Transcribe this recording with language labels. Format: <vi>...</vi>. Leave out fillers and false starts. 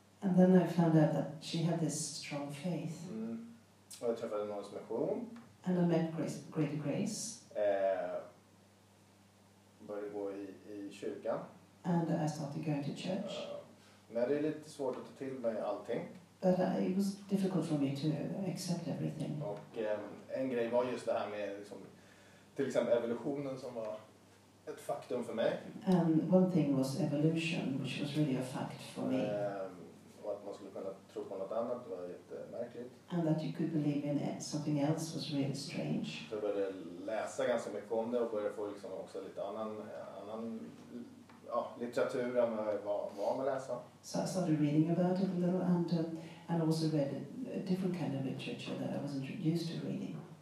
<en>And then I found out that she had this strong faith.</en> <sv>Mm. Och jag träffade någon som är sjung.</sv> <en>And I met Greater Grace.</en> <sv>Började gå i kyrkan.</sv> <en>And I started going to church.</en> <sv>Men det är lite svårt att ta till mig allting.</sv> <en>But it was difficult for me to accept everything.</en> <sv>Och en grej var just det här med liksom, till exempel evolutionen som var ett faktum för mig.</sv> <en>And one thing was evolution, which was really a fact for me.</en> <sv>Och att man skulle kunna tro på något annat var jättemärkligt.</sv> <en>And that you could believe in it, something else was really strange.</en> <sv>Så jag började läsa ganska mycket om det och började få liksom också lite annan ja, litteratur än vad jag var med läsa.</sv> <en>So I started reading about it a little and also read a different kind of literature that I was introduced to reading.</en>